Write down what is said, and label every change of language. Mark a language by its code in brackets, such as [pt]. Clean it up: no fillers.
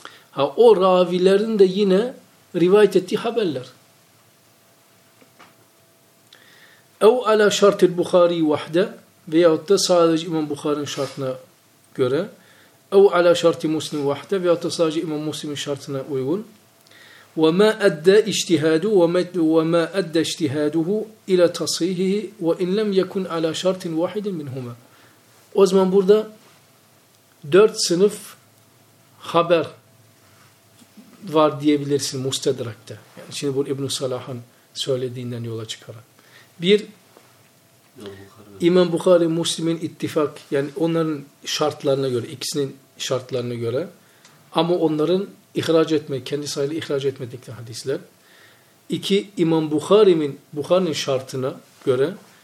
[tr] Ha o ravilerin de yine rivayet ettiği haberler. [ar] Ev ala şart-ı Buhari vahde [tr] veyahut da sadece İmam Buhari'nin şartına göre, [ar] ev ala şart-ı Müslim vahde [tr] veyahut da sadece İmam Müslim'in şartına uygun. [ar] وما أدى اجتهاده وما أدى اجتهاده إلى تصحيحه وإن لم يكن على شرط واحد منهما. [tr] O zaman burada dört sınıf haber var diyebilirsin Mustedrak'ta. Yani şimdi bu İbn-i Salah'ın söylediğinden yola çıkarak. Bir, İmam Bukhari Müslim'in ittifak, yani onların şartlarına göre, ikisinin şartlarına göre ama onların İhraç etme, kendi sayılı ihraç etmedikleri hadisler. İki, İmam Bukhari'nin şartına göre